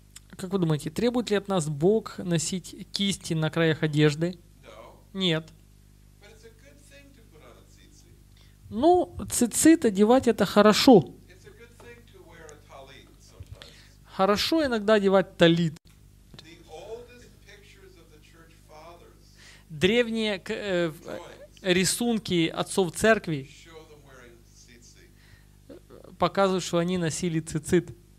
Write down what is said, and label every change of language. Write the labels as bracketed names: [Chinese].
[Russian] Как вы думаете, требует ли от нас Бог носить кисти на краях одежды? [English] No. [Russian] Нет. [English] But it's a good thing to put on a tzitzit. [Russian] Ну, цицит одевать это хорошо. [English] It's a good thing to wear a talit sometimes. [Russian] Хорошо иногда одевать талит. [English] The oldest pictures of the church fathers. [Russian] Древние рисунки отцов церкви [English] show them wearing tzitzit. [Russian] Показывают, что они носили цицит.